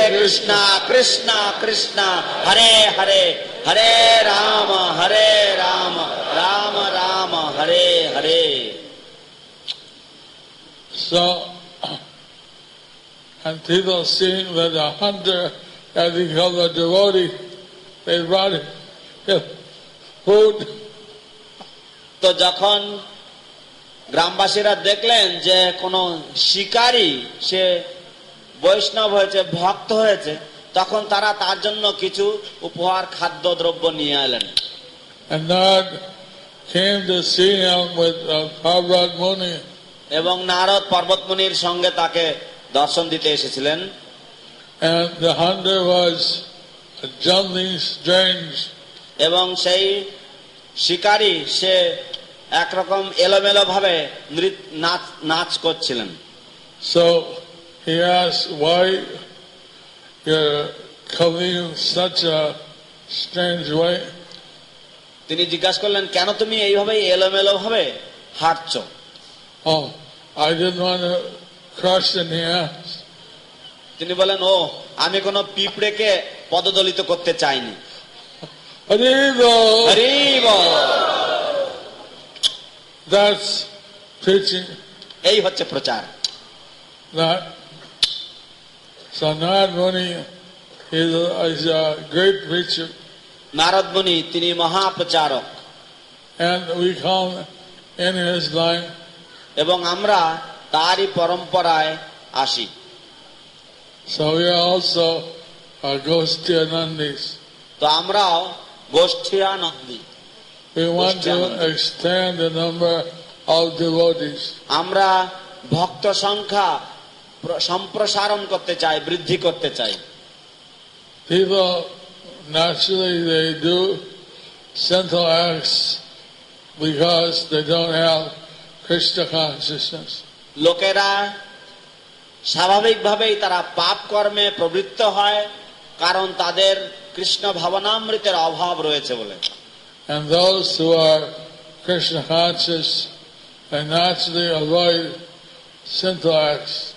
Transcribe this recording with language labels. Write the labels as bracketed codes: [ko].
[sa] Krishna Krishna Krishna Hare Hare, Hare Ram Ram Ram Hare Hare. [en] So, and people seeing that the hunter had become a devotee, they brought him food. [bn] তো যখন গ্রামবাসীরা দেখলেন যে কোন শিকারী সে বৈষ্ণব হয়েছে, ভক্ত হয়েছে, তখন তারা তার জন্য কিছু উপহার খাদ্য দ্রব্য নিয়ে এলেন। [en] And Narad came to see him with Parvat Muni. [bn] এবং নারদ পর্বতমুনির সঙ্গে তাকে দর্শন দিতে এসেছিলেন। [en] And the hunter was jumping strange. [bn] এবং সেই শিকারী সে একরকম এলোমেলো ভাবে নাচ করছিলেন। [en] So he asked, why you're coming in such a strange way? [bn] তিনি জিজ্ঞাসা করলেন, কেন তুমি এইভাবে এলোমেলো ভাবে হাঁটছো? [en] Oh, I didn't want to cross any ants. [bn] তিনি বলেন, ও আমি কোন পিঁপড়েকে পদদলিত করতে চাইনি। হরি বল হরি বল, [en] that's preaching. [bn] এই হচ্ছে প্রচার। [en] So Narad Muni is a great preacher. [bn] Narad Muni, তিনি মহা প্রচারক। [en] And we come in his line. [bn] এবং আমরা তারই পরম্পরায় আসি। [en] So we are also a Goshtiya Nandis. [bn] তো আমরাও Goshtiya Nandi. [en] We want to extend the number of devotees. [bn] আমরা ভক্ত সংখ্যা সম্প্রসারণ করতে চাই, বৃদ্ধি করতে চাই। [en] People naturally they do sinful acts because they don't have Krishna consciousness. [bn] লোকেরা স্বাভাবিকভাবেই তারা পাপ কর্মে প্রবৃত্ত হয় কারণ তাদের কৃষ্ণ ভাবনামৃতের অভাব রয়েছে বলে। [en] And those who are Krishna conscious, they naturally avoid sinful acts.